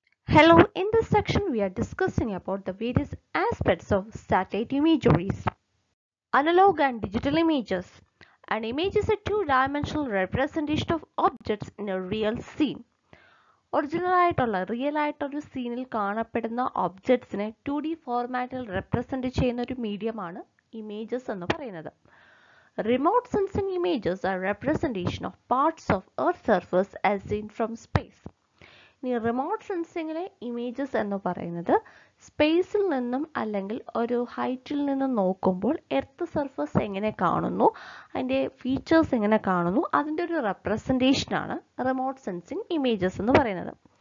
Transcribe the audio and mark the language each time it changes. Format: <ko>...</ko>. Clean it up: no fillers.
<en>Hello, in this section we are discussing about the various aspects of satellite imageries. Analog and digital images. An image is a two-dimensional representation of objects in a real scene.</en> <ml>Original ആയിട്ടുള്ള real ആയിട്ടുള്ള ഒരു സീനിൽ കാണപ്പെടുന്ന ഒബ്ജക്ട്സിനെ 2D ഫോർമാറ്റിൽ represent ചെയ്യുന്ന ഒരു മീഡിയമാണ് images എന്ന് പറയുന്നത്.</ml> <en>Remote sensing images are representation of parts of earth surface as seen from space.</en> <ml>ഇനി റിമോട്ട് സെൻസിങ്ങിലെ ഇമേജസ് എന്ന് പറയുന്നത് സ്പേസിൽ നിന്നും അല്ലെങ്കിൽ ഒരു ഹൈറ്റിൽ നിന്നും നോക്കുമ്പോൾ എർത്ത് സർഫസ് എങ്ങനെ കാണുന്നു, അതിൻ്റെ ഫീച്ചേഴ്സ് എങ്ങനെ കാണുന്നു, അതിൻ്റെ ഒരു റെപ്രസെൻറ്റേഷനാണ് റിമോട്ട് സെൻസിങ് ഇമേജസ് എന്ന് പറയുന്നത്.</ml>